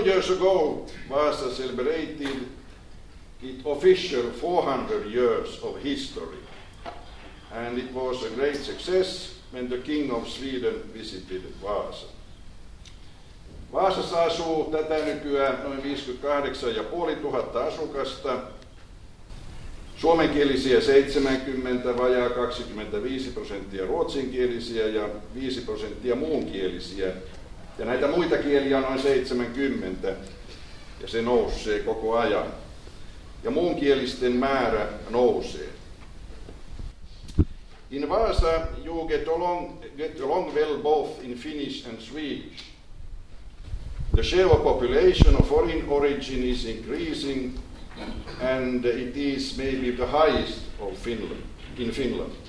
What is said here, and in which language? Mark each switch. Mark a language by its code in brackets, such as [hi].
[en] Ago, Vasa celebrated its official 400 years of history, and it was a great success when the King of Sweden visited Vasa. [fi] Vasassa asuu tätä nykyään noin 58,500 asukasta, suomenkielisiä 70, vajaa 25% ruotsinkielisiä ja 5% muunkielisiä, ja näitä muita kieliä on noin 70, ja se nousee koko ajan. Ja muunkielisten määrä nousee. [en] In Vasa, you get along well both in Finnish and Swedish. The share of population of foreign origin is increasing, and it is maybe the highest of Finland.